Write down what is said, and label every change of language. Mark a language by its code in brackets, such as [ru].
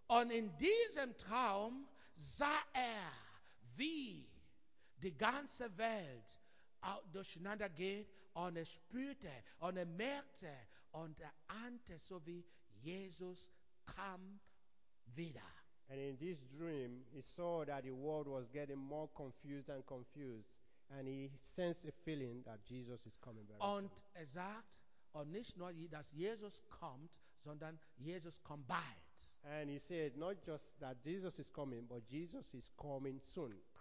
[de] Und in diesem Traum sah wie die ganze Welt durcheinander geht und spürte und merkte und ahnte, so wie Jesus kam wieder. [en] And in this dream, he saw that the world was getting more confused and confused, and he sensed a feeling that Jesus is coming back. [de] Und er sagt, und nicht nur, dass Jesus kommt, sondern Jesus kommt bald. [en] And he said, not just that Jesus is coming, but Jesus is coming soon.